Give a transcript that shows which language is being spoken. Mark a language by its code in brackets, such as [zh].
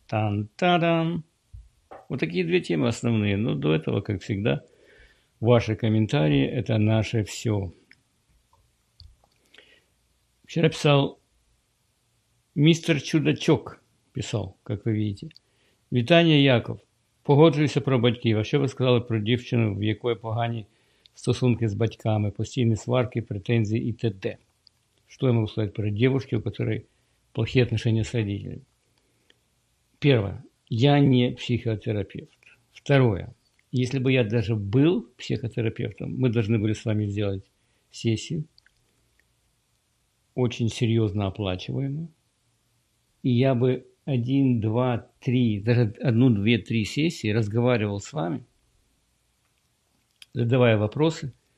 [ru] Тан-та-дам! Вот такие две темы основные. Но до этого, как всегда, ваши комментарии – это наше все. Вчера писал мистер Чудачок, писал, как вы видите. [uk] Вітання, Яков. Погоджуюся про батьків. А що ви сказали про дівчину, в якої погані стосунки з батьками, постійні сварки, претензії і т.д.? Що я можу сказати про дівчину, у якої плохі відношення з батьками? Перше. Я не психотерапевт. [ru] Второе. Если бы я даже был психотерапевтом, мы должны были с вами сделать сессию, очень серьезно оплачиваемую. И я бы один, два, три, даже одну, две, три сессии разговаривал с вами, задавая вопросы.